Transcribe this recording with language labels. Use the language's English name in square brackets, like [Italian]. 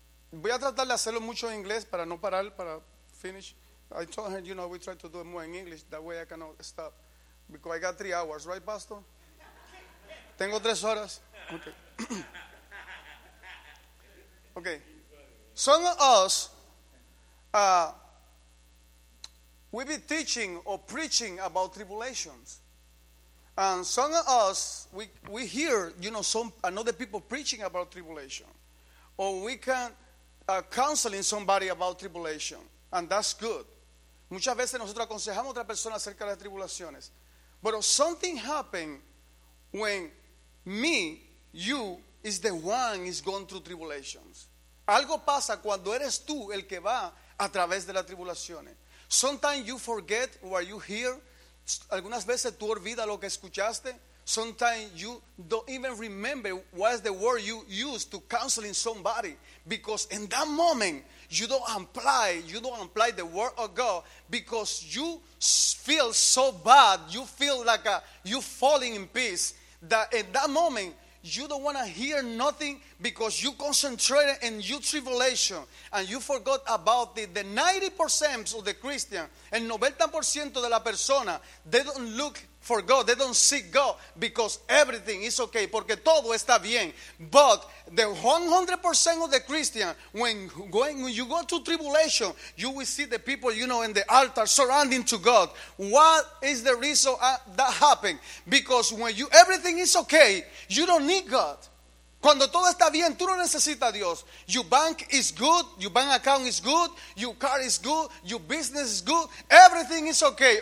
[Spanish] Voy a tratar de hacerlo mucho en inglés para no parar, para finish. [English] I told her, you know, we try to do it more in English. That way I cannot stop. Because I got 3 hours, right, Pastor? [Spanish] Tengo 3 horas. [English] Okay. Okay. Some of us, we be teaching or preaching about tribulations. And some of us, we hear, you know, some another people preaching about tribulation. Or we can counseling somebody about tribulation. And that's good. [Spanish] Muchas veces nosotros aconsejamos a otra persona acerca de las tribulaciones. [English] But something happened when me, you, is the one is going through tribulations. [Spanish] Algo pasa cuando eres tú el que va a través de las tribulaciones. [English] Sometimes you forget what you hear. [Spanish] Algunas veces tú olvidas lo que escuchaste. [English] Sometimes you don't even remember what is the word you used to counseling somebody. Because in that moment, you don't apply the word of God, because you feel so bad, you feel like you falling in peace, that in that moment you don't want to hear nothing because you concentrated in your tribulation and you forgot about it. The 90% of the Christian, [Spanish] el 90% de la persona, [English] they don't look for God, they don't seek God, because everything is okay, [Spanish] porque todo está bien. [English] But the 100% of the Christian, when you go to tribulation, you will see the people, you know, in the altar surrounding to God. What is the reason that happened? Because when you everything is okay, you don't need God. [Spanish] Cuando todo está bien, tú no necesitas a Dios. [English] Your bank is good, your bank account is good, your car is good, your business is good, everything is okay.